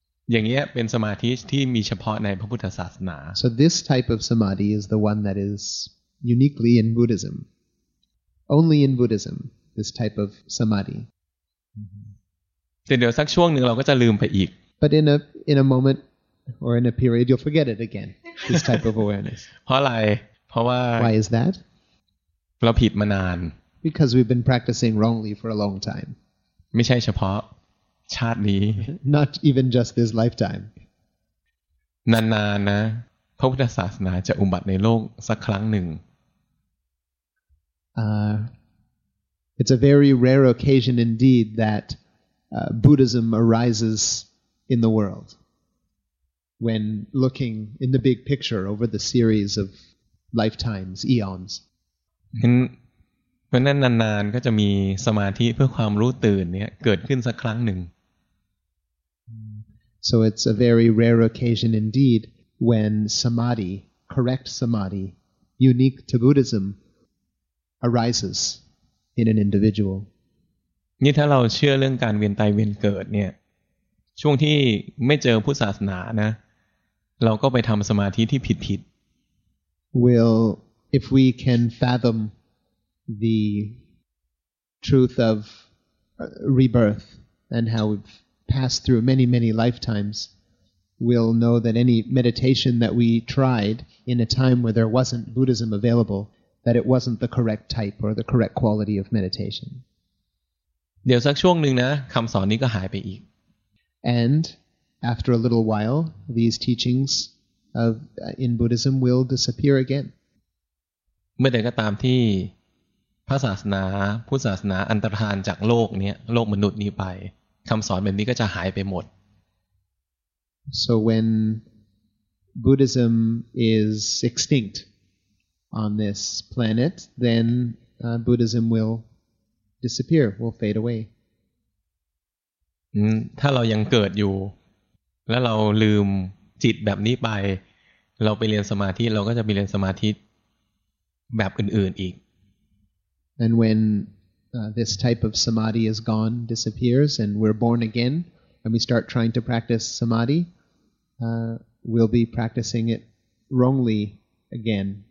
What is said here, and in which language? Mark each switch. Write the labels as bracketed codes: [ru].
[th] อย่างเงี้ยเป็นสมาธิที่มีเฉพาะในพระพุทธศาสนา [en] So this type of samadhi is the one that is uniquely in Buddhism. Only in Buddhism, this type of samadhi. [th] แต่เดี๋ยวสักช่วงหนึ่งเราก็จะลืมไปอีก [en] But in a moment or in a period, you'll forget it again. This type of awareness. [th] เพราะอะไรเพราะว่า [en] Why is that? [th] เราผิดมานาน [en] Because we've been practicing wrongly for a long time. [th] ไม่ใช่เฉพาะชาตินี้ [en] not even just this lifetime [th] นานๆนะพระพุทธศาสนาจะอุบัติในโลกสักครั้งหนึ่ง [en] it's a very rare occasion indeed that Buddhism arises in the world when looking in the big picture over the series of lifetimes eons [th] เพราะนั้นนานๆก็จะมีสมาธิเพื่อความรู้ตื่นเนี่ยเกิดขึ้นสักครั้งหนึ่ง [en] So it's a very rare occasion indeed when samadhi, correct samadhi, unique to Buddhism, arises in an individual. [th] นี่ถ้าเราเชื่อเรื่องการเวียนตายเวียนเกิดเนี่ยช่วงที่ไม่เจอพุทธศาสนานะเราก็ไปทำสมาธิที่ผิด [en] ๆ Well if we can fathom the truth of rebirth and how we've passed through many many lifetimes we'll know that any meditation that we tried in a time where there wasn't Buddhism available that it wasn't the correct type or the correct quality of meditation [th] เดี๋ยวสักช่วงนึงนะคำสอนนี้ก็หายไปอีก [en] and after a little while these teachings of in Buddhism will disappear again [th] เมื่อใดก็ตามที่พระศาสนาพุทธศาสนาอันตรธานจากโลกนี้โลกมนุษย์นี้ไปคำสอนแบบนี้ก็จะหายไปหมด [en] So when Buddhism is extinct on this planet, then Buddhism will disappear, will fade away. [th] ถ้าเรายังเกิดอยู่แล้วเราลืมจิตแบบนี้ไปเราไปเรียนสมาธิเราก็จะไปเรียนสมาธิแบบอื่นๆอีก [en] And whenthis type of samadhi is gone, disappears, and we're born again, and we start trying to practice samadhi, we'll be practicing it wrongly again.